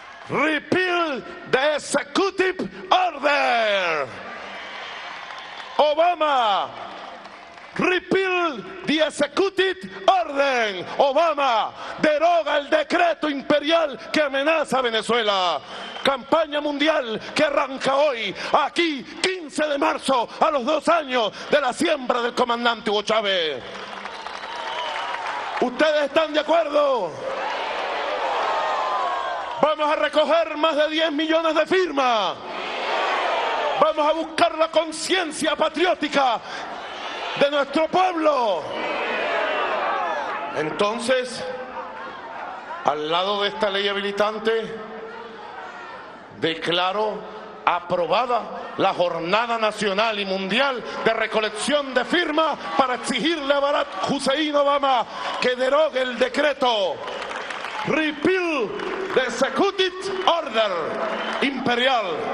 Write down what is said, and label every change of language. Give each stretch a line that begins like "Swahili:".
English: Repeal the executive order. Obama. Repeal the executive order.
Spanish: Obama, deroga el decreto imperial que amenaza a Venezuela. Campaña mundial que arranca hoy, aquí, 15 de marzo, a los 2 años de la siembra del comandante Hugo Chávez. ¿Ustedes están de acuerdo? Vamos a recoger más de 10 millones de firmas. Vamos a buscar la conciencia patriótica de nuestro pueblo. Entonces, al lado de esta ley habilitante, declaro aprobada la jornada nacional y mundial de recolección de firmas para exigirle a Barack Hussein Obama que derogue el decreto.
English: Repeal the executive order imperial.